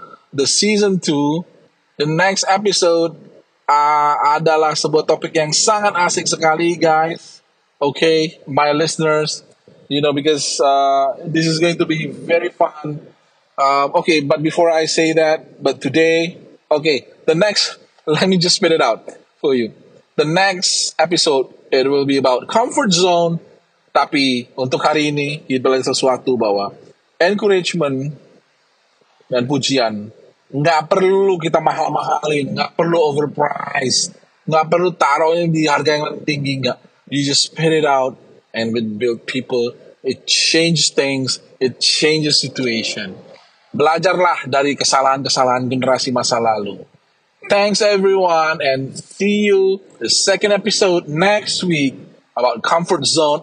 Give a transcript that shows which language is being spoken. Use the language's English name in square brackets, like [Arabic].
[English] the season 2, the next episode [Indonesian] adalah sebuah topik yang sangat asik sekali, [English] guys, okay, my listeners, you know, because this is going to be very fun, okay, but before I say that, but today, okay, let me just spit it out for you. The next episode, it will be about comfort zone. [Indonesian] Tapi untuk hari ini, kita belajar sesuatu bahwa encouragement dan pujian nggak perlu kita mahal-mahalin, nggak perlu overpriced, nggak perlu taruhnya di harga yang tinggi, nggak. [English] You just spit it out and it build people. It changes things. It changes situation. [Indonesian] Belajarlah dari kesalahan-kesalahan generasi masa lalu. [English] Thanks everyone, and see you the second episode next week about comfort zone.